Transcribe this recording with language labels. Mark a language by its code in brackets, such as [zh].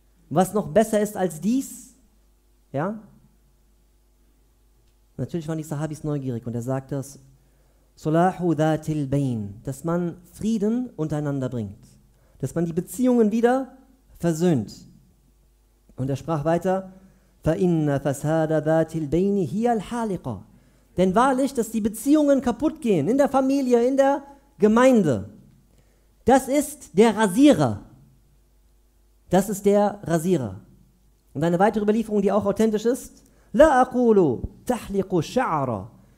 [de] Was noch besser ist als dies? Ja? Natürlich waren die Sahabis neugierig und er sagte es: [ar] Sulahu dhatil bain, [de] dass man Frieden untereinander bringt. dass man die Beziehungen wieder versöhnt. Und er sprach weiter: [ar] فَإِنَّ فَسَادَ ذَاتِ الْبَيْنِ هِيَ الْحَالِقَ. [de] Denn wahrlich, dass die Beziehungen kaputt gehen, in der Familie, in der Gemeinde, das ist der Rasierer. Das ist der Rasierer. Und eine weitere Überlieferung, die auch authentisch ist: [ar] لَا أَقُولُ تَحْلِقُ شَعْرًا.